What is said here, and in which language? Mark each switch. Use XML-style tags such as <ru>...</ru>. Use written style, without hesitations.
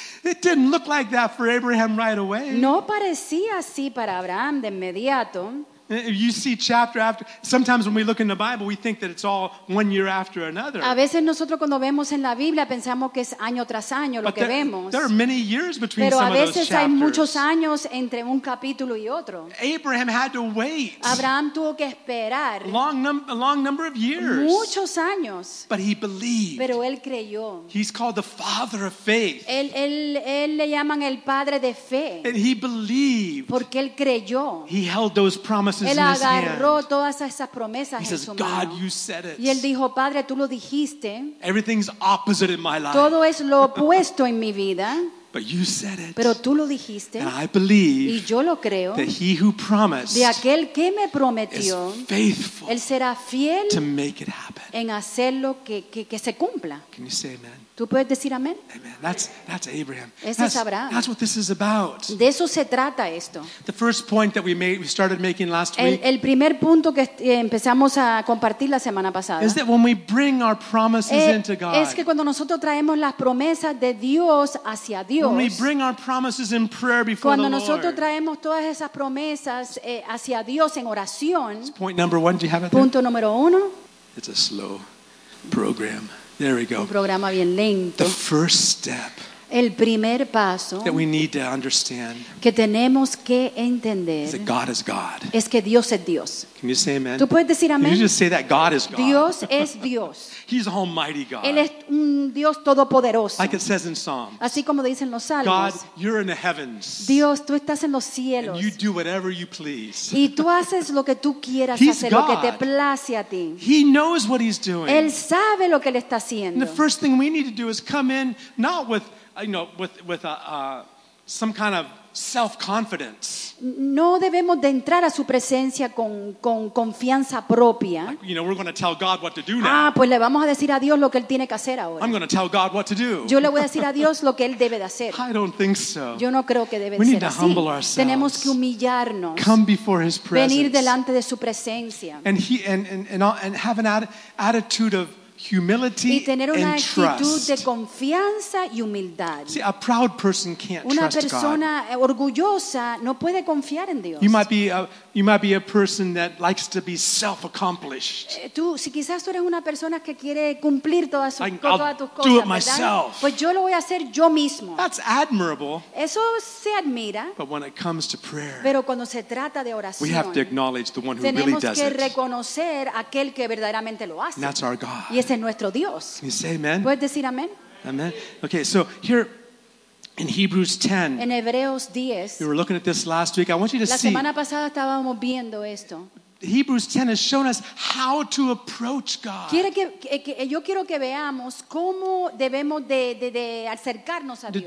<en>It didn't look like that for Abraham right away.</en> <es>No parecía así para Abraham de inmediato.</es> <en>You see chapter after, sometimes when we look in the Bible, we think that it's all one year after another.</en> <es>A veces nosotros cuando vemos en la Biblia pensamos que es año tras año lo</es> <en>but</en> <es>que vemos.</es> <en>There are many years between</en> <es>pero</es> <en>some</en> <es>a veces</es> <en>of those</en> <es>hay</es> <en>chapters.</en> <es>Muchos años entre un capítulo y otro.</es> <en>Abraham had to wait.</en> <es>Abraham tuvo que esperar.</es> <en>A long number of years.</en> <es>Muchos años.</es> <en>But he believed.</en> <es>Pero él creyó.</es> <en>He's called the father of faith.</en> <es>Él le llaman el padre de fe.</es> <en>And he believed.</en> <es>Porque él creyó.</es> <en>He held those promises.</en> <es>Él agarró todas esas promesas en su mano.</es> <en>God, you said it.</en> <es>Y él dijo, Padre, tú lo dijiste.</es> <en>Everything's opposite in my life.</en> <es>Todo es lo opuesto en mi vida.</es> <en>But you said it.</en> <es>Pero tú lo dijiste.</es> <en>And I believe.</en> <es>Y yo lo creo.</es> <en>That he who promised.</en> <es>De aquel que me prometió.</es> <en>Is faithful.</en> <es>Él será fiel.</es> <en>To make it happen.</en> <es>En hacerlo que se cumpla.</es> <en>Can you say amen?</en> <es>Tú puedes decir amén.</es> <en>Amen. That's Abraham.</en> <es>Ese</es> <en>that's,</en> <es>es Abraham.</es> <en>That's what this is about.</en> <es>De eso se trata esto.</es> <en>The first point that we started making last week.</en> <es>El primer punto que empezamos a compartir la semana pasada.</es> <en>Is that when we bring our promises into God.</en> <es>Es que cuando nosotros traemos las promesas de Dios hacia Dios.</es> <en>When we bring our promises in prayer before the Lord.</en> <es>Cuando nosotros traemos todas esas promesas hacia Dios en oración.</es> <en>It's point number one. Do you have it?</en> <es>Punto número uno.</es> <en>It's a slow program. There we go.</en> <es>Un programa bien lento.</es> <en>The first step.</en> <es>El primer paso</es> <en>that we need to understand</en> <es>que tenemos que entender</es> <en>is that God is God.</en> <es>Es que Dios es Dios.</es> <en>Can you say amen?</en> <es>¿Tú puedes decir amén?</es> <en>Can you just say that God is God?</en> <es>Dios es Dios.</es> <en>He's Almighty God.</en> <es>Él es un Dios todopoderoso.</es> <en>Like it says in Psalms.</en> <es>Así como dicen los salmos.</es> <en>God, you're in the heavens.</en> <es>Dios, tú estás en los cielos.</es> <en>And you do whatever you please.</en> <es>Y tú haces lo que tú quieras hacer,</es> <en>God.</en> <es>Lo que te place a ti.</es> <en>He knows what he's doing.</en> <es>Él sabe lo que él está haciendo.</es> <en>And the first thing we need to do is come in not with, you know, with some kind of self-confidence.</en> <es>No debemos de entrar a su presencia con confianza propia.</es> <en>Like, you know, we're going to tell God what to do now.</en> <es>Ah, pues le vamos a decir a Dios lo que él tiene que hacer ahora.</es> <en>I'm going to tell God what to do.</en> <es>Yo le voy a decir a Dios lo que él debe de hacer.</es> <en>I don't think so.</en> <es>Yo no creo que debe</es> <en>we</en> <es>ser</es> <en>need to</en> <es>así.</es> <en>Humble ourselves.</en> <es>Tenemos que humillarnos.</es> <en>Come before his presence.</en> <es>Venir delante de su presencia.</es> <en>And he and have an attitude of humility</en> <es>y tener una actitud</es> <en>trust.</en> <es>De confianza y humildad.</es> <en>See, a proud person can't trust</en> <es>una persona</es> <en>God.</en> <es>Orgullosa no puede confiar en Dios.</es> <en>You might be a person that likes to be self-accomplished.</en> <es>Tú, si quizás tú eres una persona que quiere cumplir todas sus</es> <en>like,</en> <es>todas</es> <en>I'll</en> <es>tus cosas,</es> <en>do it myself.</en> <es>Pues yo lo voy a hacer yo mismo.</es> <en>That's admirable.</en> <es>Eso se admira.</es> <en>But when it comes to prayer,</en> <es>pero cuando se trata de oración,</es> <en>we have to acknowledge the one who</en> <es>tenemos</es> <en>really does</en> <es>que reconocer</es> <en>it.</en> <es>Aquel que verdaderamente lo hace.</es> <en>And that's our God.</en> <es>Y ese es nuestro Dios.</es> <en>Can you say amen?</en> <es>¿Puedes decir amén?</es> <en>Amen. Okay, so here in Hebrews 10.</en> <es>En Hebreos 10.</es> <en>We were looking at this last week. I want you to see.</en> <es>La semana pasada estábamos viendo esto.</es> <en>Hebrews 10 has shown us how to approach God.</en> <es>Quiere que yo quiero que veamos cómo debemos de acercarnos a Dios.</es>